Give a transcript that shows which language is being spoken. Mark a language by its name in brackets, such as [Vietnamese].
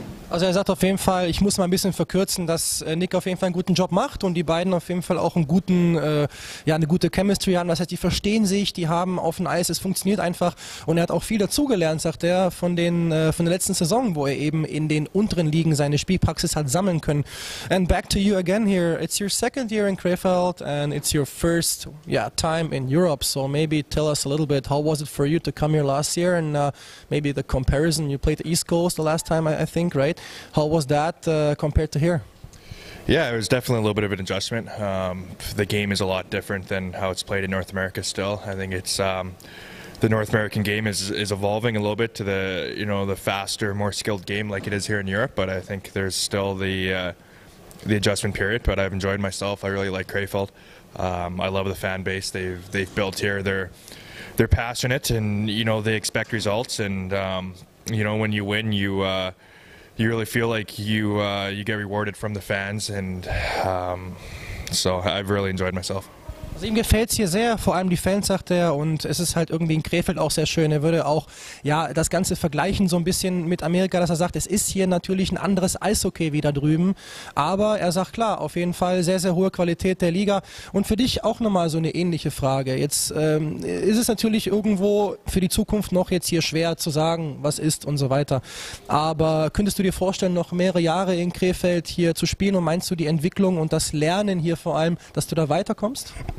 [German] Also er sagt auf jeden Fall, ich muss mal ein bisschen verkürzen, dass Nick auf jeden Fall einen guten Job macht und die beiden auf jeden Fall auch einen guten, eine gute Chemistry haben. Das heißt, die verstehen sich, die haben auf dem Eis, es funktioniert einfach. Und er hat auch viel dazugelernt, sagt er, von der letzten Saison, wo er eben in den unteren Ligen seine Spielpraxis hat sammeln können. [English] And back to you again here. It's your second year in Krefeld and it's your first time in Europe. So maybe tell us a little bit, how was it for you to come here last year and maybe the comparison. You played the East Coast the last time, I think, right? How was that compared to here? Yeah, it was definitely a little bit of an adjustment. The game is a lot different than how it's played in North America still. I think it's the North American game is evolving a little bit to the, you know, the faster, more skilled game like it is here in Europe. But I think there's still the adjustment period. But I've enjoyed myself. I really like Krefeld. I love the fan base they've built here. They're passionate and, you know, they expect results. And, you know, when you win, you... you really feel like you you get rewarded from the fans, and so I've really enjoyed myself. [German] Also ihm gefällt es hier sehr, vor allem die Fans, sagt er, und es ist halt irgendwie in Krefeld auch sehr schön. Er würde auch ja das Ganze vergleichen so ein bisschen mit Amerika, dass er sagt, es ist hier natürlich ein anderes Eishockey wie da drüben, aber er sagt, klar, auf jeden Fall sehr, sehr hohe Qualität der Liga. Und für dich auch nochmal so eine ähnliche Frage. Jetzt ist es natürlich irgendwo für die Zukunft noch jetzt hier schwer zu sagen, was ist und so weiter, aber könntest du dir vorstellen, noch mehrere Jahre in Krefeld hier zu spielen, und meinst du die Entwicklung und das Lernen hier vor allem, dass du da weiterkommst?